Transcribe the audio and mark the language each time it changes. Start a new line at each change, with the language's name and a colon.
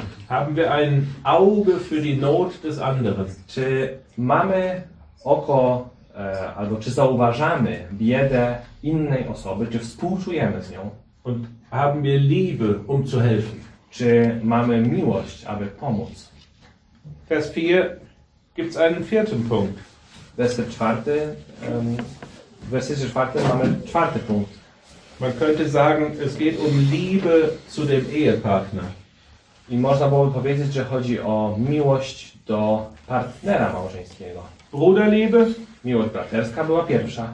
German: Haben wir ein Auge für die Not des anderen?
Polish: Czy mamy oko, albo czy zauważamy biedę innej osoby, czy współczujemy z nią?
German: Und haben wir Liebe, um zu helfen?
Polish: Czy mamy miłość, aby pomóc?
German: Vers 4 gibt's einen vierten Punkt.
Polish: Werset 4 mamy czwarty punkt.
German: Man könnte sagen, es geht um Liebe zu dem Ehepartner.
Polish: I można było powiedzieć, że chodzi o miłość do partnera małżeńskiego.
German: Bruderliebe.
Polish: Miłość braterska była pierwsza.